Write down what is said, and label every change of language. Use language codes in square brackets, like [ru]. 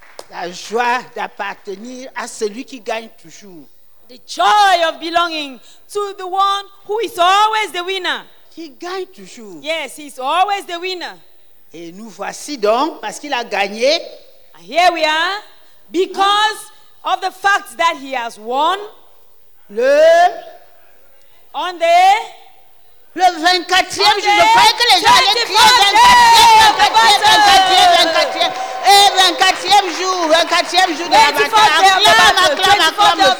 [fr] La joie d'appartenir à celui qui gagne toujours. [en] The joy of belonging to the one who is always the winner. [fr] Qui gagne toujours. [en] Yes, he's always the winner. [fr] Et nous voici donc parce qu'il a gagné. [en] And here we are because of the fact that he has won. [fr] Le [en] on the [fr] le 24e, je ne veux pas que les gens aient crié 24e jour de la bataille.